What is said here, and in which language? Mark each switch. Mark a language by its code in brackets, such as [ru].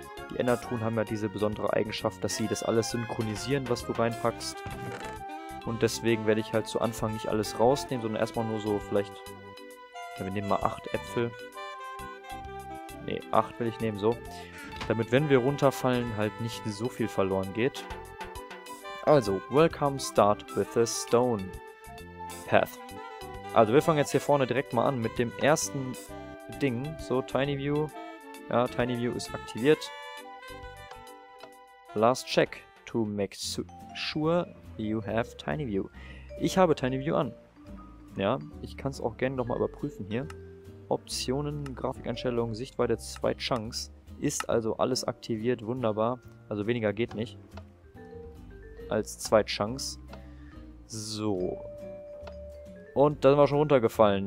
[de] Die Endertruhen haben ja diese besondere Eigenschaft, dass sie das alles synchronisieren, was du reinpackst und deswegen werde ich halt zu Anfang nicht alles rausnehmen, sondern erstmal nur so vielleicht, ja, wir nehmen mal 8 Äpfel. Ne, 8 will ich nehmen, so. Damit, wenn wir runterfallen, halt nicht so viel verloren geht. [en] Also, welcome, start with a stone path. [de] Also, wir fangen jetzt hier vorne direkt mal an mit dem ersten Ding. So, Tiny View. Ja, Tiny View ist aktiviert. [en] Last check to make sure you have Tiny View. [de] Ich habe Tiny View an. Ja, ich kann es auch gerne nochmal überprüfen hier. Optionen, Grafikeinstellungen, Sichtweite, 2 Chunks. Ist also alles aktiviert, wunderbar. Also, weniger geht nicht. Als zweite Chance. So. Und da sind wir schon runtergefallen.